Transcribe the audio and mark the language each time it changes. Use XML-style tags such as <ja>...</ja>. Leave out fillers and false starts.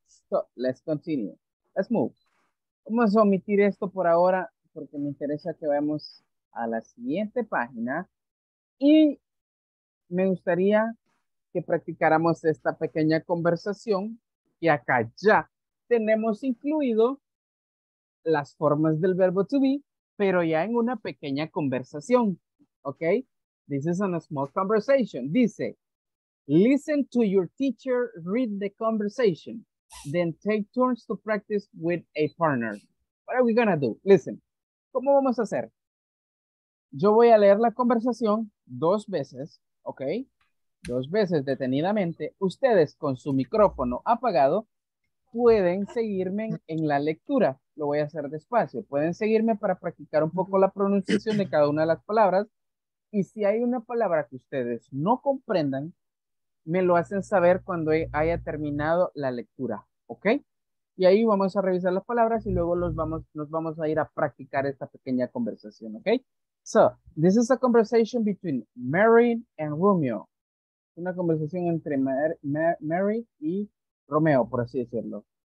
<en>So, let's continue. Let's move.</en> <es>Vamos a omitir esto por ahora, porque me interesa que vayamos a la siguiente página, y me gustaría que practicáramos esta pequeña conversación, y acá ya tenemos incluido las formas del verbo to be, pero ya en una pequeña conversación, ¿ok?</es> <en>This is on a small conversation.</en> <es>Dice,</es> <en>listen to your teacher, read the conversation, then take turns to practice with a partner. What are we gonna do? Listen,</en> <es>¿cómo vamos a hacer? Yo voy a leer la conversación dos veces, ¿ok? Dos veces detenidamente. Ustedes con su micrófono apagado pueden seguirme en la lectura. Lo voy a hacer despacio. Pueden seguirme para practicar un poco la pronunciación de cada una de las palabras. Y si hay una palabra que ustedes no comprendan, me lo hacen saber cuando haya terminado la lectura, ¿ok? Y ahí vamos a revisar las palabras y luego nos vamos a ir a practicar esta pequeña conversación, ¿ok?</es> <en>So, this is a conversation between Mary and Romeo.</en> <es>Una conversación entre Mary y Romeo, por así decirlo.</es>